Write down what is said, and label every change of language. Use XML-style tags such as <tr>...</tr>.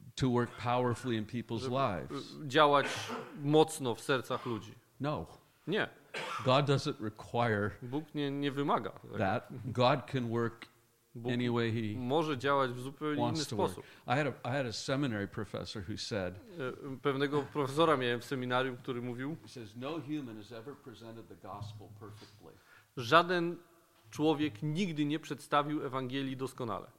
<en>to work powerfully in people's lives?</en> <pl>Działać mocno w sercach ludzi?</pl> <en>No.</en> <pl>Nie.</pl> <en>God doesn't require.</en> <pl>Bóg nie wymaga.</pl> <en>That God can work</en> <pl>Bóg</pl> <en>any way he</en> <pl>może działać w zupełnie inny sposób.</pl> <en>Work. I had a seminary professor who said.</en> <pl>Pewnego profesora miałem w seminarium, który mówił.</pl> <en>He says no human has ever presented the gospel perfectly.</en> <pl>Żaden człowiek nigdy nie przedstawił Ewangelii doskonale.</pl>